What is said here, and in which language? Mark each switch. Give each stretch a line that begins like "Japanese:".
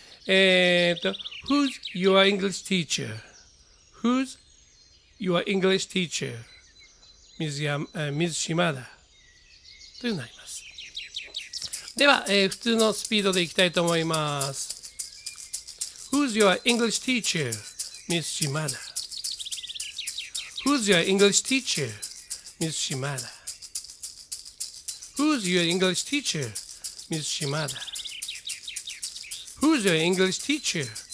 English: Who's your English teacher? Who's your English teacher?
Japanese: Ms. Shimada. というになります。では、普通のスピードでいきたいと思います。
English: Who's your English teacher? Ms. Shimada. Who's your English teacher? Ms. Shimada. Who's your English teacher? Ms. Shimada. Who's your English teacher?